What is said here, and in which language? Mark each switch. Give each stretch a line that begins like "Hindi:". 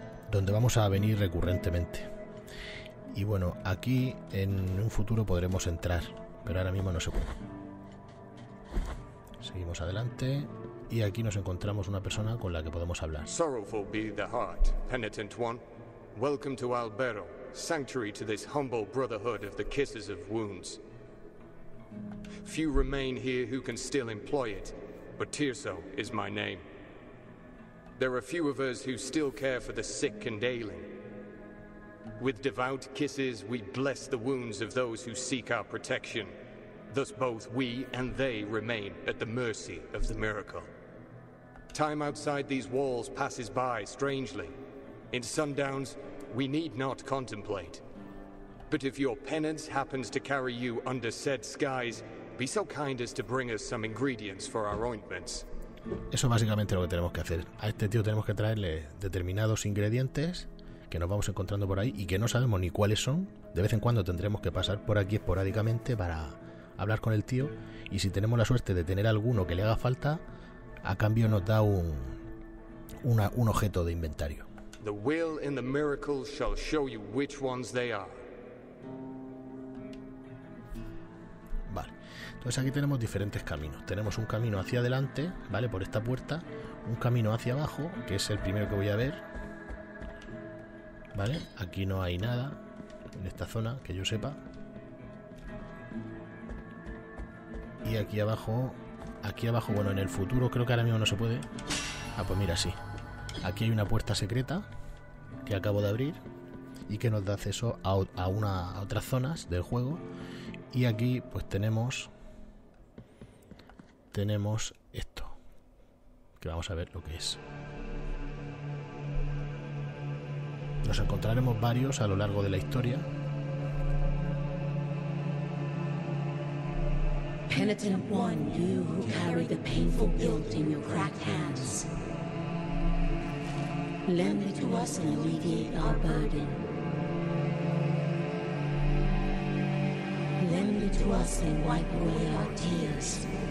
Spanish: Donde vamos a venir recurrentemente. Y bueno, aquí en un futuro podremos entrar. Pero ahora mismo no se puede. Seguimos adelante y aquí nos encontramos una persona con la que podemos hablar.
English: Sorrowful be the heart, penitent one. Welcome to Albero, sanctuary to this humble brotherhood of the Kisses of Wounds. Few remain here who can still employ it, but Tirso is my name. There are few of us who still care for the sick and ailing. With devout kisses, we bless the wounds of those who seek our protection. Thus both we and they remain at the mercy of the miracle. Time outside these walls passes by strangely. In sundowns, we need not contemplate. But if your penance happens to carry you under said skies, be so kind as to bring us some ingredients for our ointments.
Spanish: Eso es básicamente lo que tenemos que hacer. A este tío tenemos que traerle determinados ingredientes que nos vamos encontrando por ahí y que no sabemos ni cuáles son. De vez en cuando tendremos que pasar por aquí esporádicamente para hablar con el tío, y si tenemos la suerte de tener alguno que le haga falta, a cambio nos da un objeto de inventario.
English: The will and the miracle shall show you which ones they are.
Spanish: Vale, entonces aquí tenemos diferentes caminos. Tenemos un camino hacia adelante, vale, por esta puerta, un camino hacia abajo, que es el primero que voy a ver. Vale, aquí no hay nada en esta zona que yo sepa. Y aquí abajo, bueno, en el futuro creo que ahora mismo no se puede. Ah, pues mira, sí. Aquí hay una puerta secreta que acabo de abrir y que nos da acceso a otras zonas del juego. Y aquí, pues tenemos esto, que vamos a ver lo que es. Nos encontraremos varios a lo largo de la historia.
English: Penitent one, you who carry the painful guilt in your cracked hands. Lend it to us and alleviate our burden. Lend it to us and wipe away our tears.